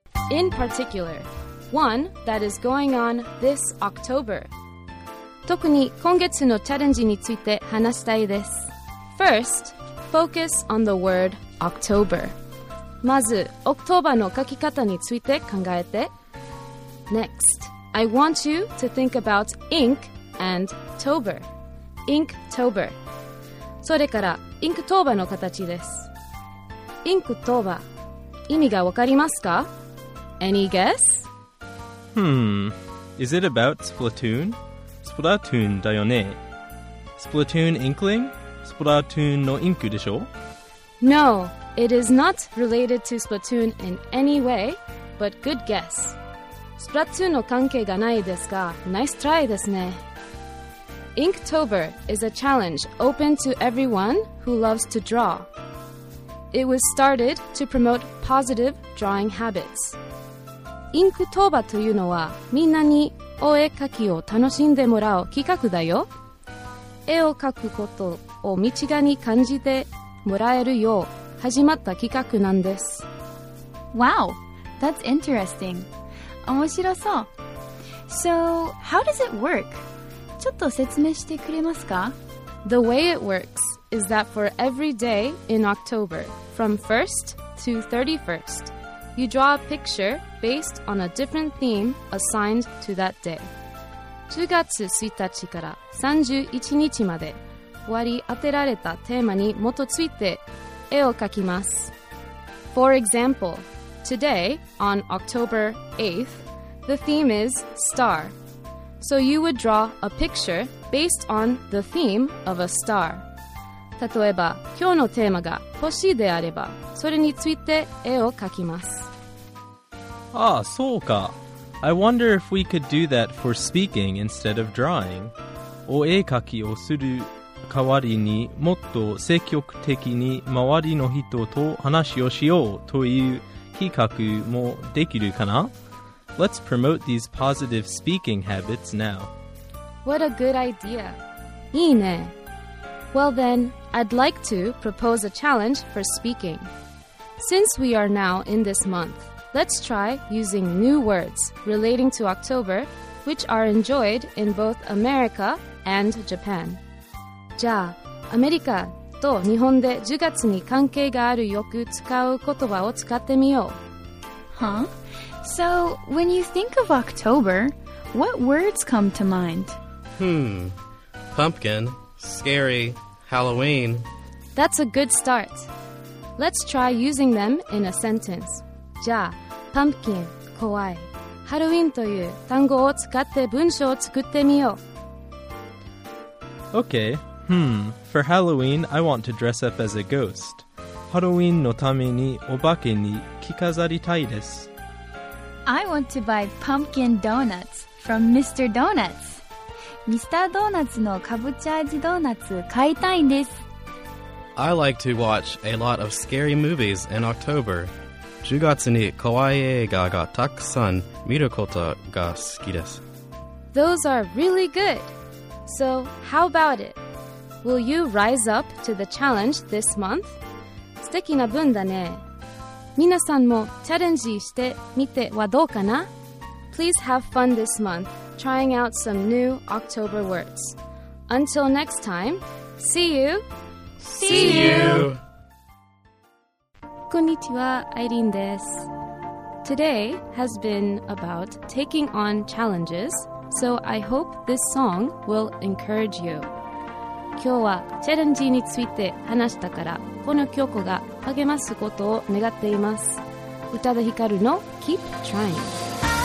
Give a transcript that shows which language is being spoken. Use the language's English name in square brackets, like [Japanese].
[English] In particular, one that is going on this October. [Japanese] 特に今月のチャレンジについて話したいです。 [English] First, focus on the word October. [Japanese] まず、October の書き方について考えて。 [English] Next, I want you to think about ink and tober. Inktober。 [Japanese] それからインクトーバの形です。インクトーバ、意味がわかりますか？ [English] Any guess? Is it about Splatoon? [Japanese] Splatoon だよね。Splatoon inkling? Splatoon のインクでしょ？ [English] No, it is not related to Splatoon in any way, but good guess. [Japanese] Splatoon の関係がないですが、ナイストライですね。 [English] Inktober is a challenge open to everyone who loves to draw. It was started to promote positive drawing habits. [Japanese] Inktober というのはみんなにお絵描きを楽しんでもらう企画だよ。絵を描くことを身近に感じてもらえるよう始まった企画なんです。 [English] Wow, that's interesting. [Japanese] 面白そう。 [English] So, how does it work? [Japanese] ちょっと説明してくれますか? [English] The way it works is that for every day in October, from 1st to 31st, you draw a picture based on a different theme assigned to that day. [Japanese] 10月1日から31日まで割り当てられたテーマに基づいて絵を描きます。 [English] For example, today on October 8th, the theme is star. So you would draw a picture based on the theme of a star. [Japanese] 例えば、今日のテーマが星であれば、それについて絵を描きます。 Ah, そうか。 [English] I wonder if we could do that for speaking instead of drawing. [Japanese] お絵描きをする代わりにもっと積極的に周りの人と話をしようという企画もできるかな? [English] Let's promote these positive speaking habits now. What a good idea. [Japanese] いいね。 [English] Well then, I'd like to propose a challenge for speaking. Since we are now in this month, let's try using new words relating to October, which are enjoyed in both America and Japan. [Japanese] じゃあ、アメリカと日本で10月に関係があるよく使う言葉を使ってみよう。 Huh? [English] So, when you think of October, what words come to mind? Pumpkin, scary, Halloween. That's a good start. Let's try using them in a sentence. [Japanese] じゃあ、pumpkin, 怖い、Halloween という単語を使って文章を作ってみよう。 [English] Okay, for Halloween, I want to dress up as a ghost. [Japanese] Halloween のためにお化けに着飾りたいです。 [English] I want to buy pumpkin donuts from Mr. Donuts. Mr. [Japanese] Donuts のかぼちゃ味ドーナツ買いたいんです。 [English] I like to watch a lot of scary movies in October. [Japanese] 10月に怖い映画がたくさん見ることが好きです。 [English] Those are really good. So, how about it? Will you rise up to the challenge this month? [Japanese] 素敵な文だね。皆さんもチャレンジしてみてはどうかな? [English] Please have fun this month trying out some new October words. Until next time, see you! See you! [Japanese] こんにちは、アイリンです。 [English] Today has been about taking on challenges, so I hope this song will encourage you. [Japanese] 今日はチャレンジについて話したから、この曲が励ますことを願っています。宇多田ヒカルの Keep Trying。